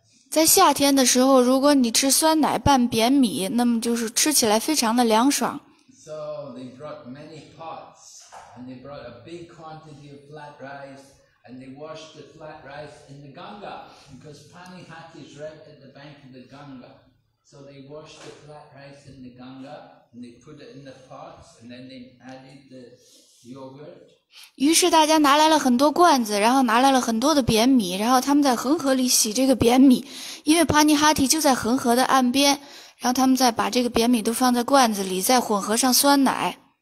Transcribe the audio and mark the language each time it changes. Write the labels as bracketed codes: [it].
[zh] 在夏天的时候，如果你吃酸奶拌扁米，那么就是吃起来非常的凉爽。 [en] So they brought many pots, and they brought a big quantity of flat rice, and they washed the flat rice in the Ganga, because Panihati is right at the bank of the Ganga. So they washed the flat rice in the Ganga, and they put it in the pots, and then they added the yogurt. [zh] 于是大家拿来了很多罐子，然后拿来了很多的扁米，然后他们在恒河里洗这个扁米，因为帕尼哈提就在恒河的岸边，然后他们再把这个扁米都放在罐子里，再混合上酸奶。